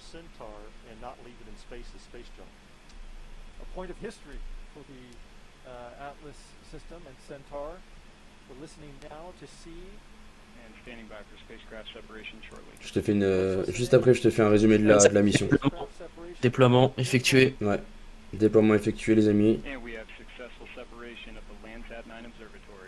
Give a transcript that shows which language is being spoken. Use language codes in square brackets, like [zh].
[en] Centaur and not leave it in space as space junk. A point of history for the Atlas system and Centaur. We're listening now to see and standing by for spacecraft separation shortly. [fr] Je te fais une juste après je te fais un résumé de la mission. Déploiement effectué. Ouais. Déploiement effectué les amis. [en] And we have successful separation of the Landsat 9 observatory.